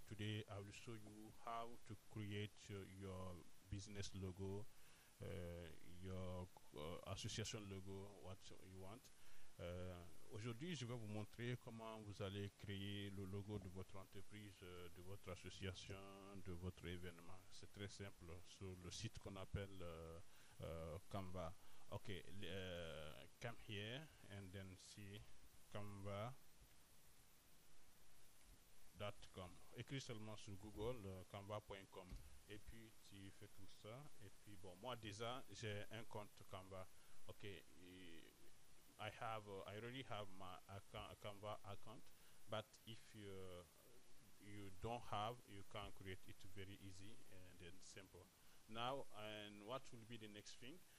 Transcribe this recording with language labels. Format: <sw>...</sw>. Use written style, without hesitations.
<en>Today I will show you how to create your business logo, your association logo, what you want.</en> <fr>Aujourd'hui je vais vous montrer comment vous allez créer le logo de votre entreprise, de votre association, de votre événement. C'est très simple sur le site qu'on appelle Canva.</fr> <en>Ok, come here and then see Canva.</en> <fr>.com. Écris seulement sur Google Canva.com et puis tu fais comme ça. Et puis bon, moi déjà j'ai un compte Canva.</fr> <en>Ok, I already have my account, Canva account, but if you don't have, you can create it very easy and then simple. Now, and what will be the next thing?</en>